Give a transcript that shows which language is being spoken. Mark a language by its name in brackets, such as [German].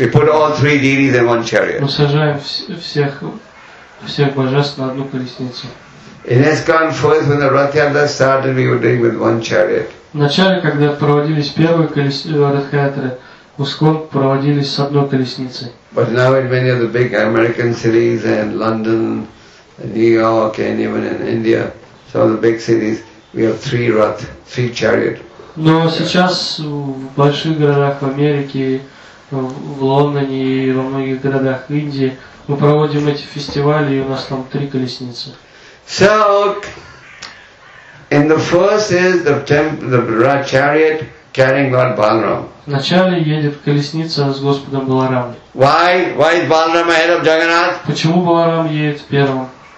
[English] We put all three deities in one chariot. [Russian] Мы сажаем всех божеств на одну колесницу. [English] In ISKCON first, when the Rath Yatra started, we were doing with one chariot. [Russian] Вначале, когда проводились первые Радхаятры, ISKCON проводились с одной колесницей. [English] But now in many of the big American cities, and London, and New York, and even in India, some of the big cities, we have three chariot. [Russian] Но сейчас в больших городах Америки, в Лондоне и во многих городах Индии, мы проводим эти фестивали, и у нас там три колесницы. [English] So, in the first is the temple, the chariot carrying Lord Balaram. [Russian] Вначале едет колесница с Господом Баларамом. [English] Why? Why is Balaram ahead of Jagannath? [Russian] Почему Баларам едет первым?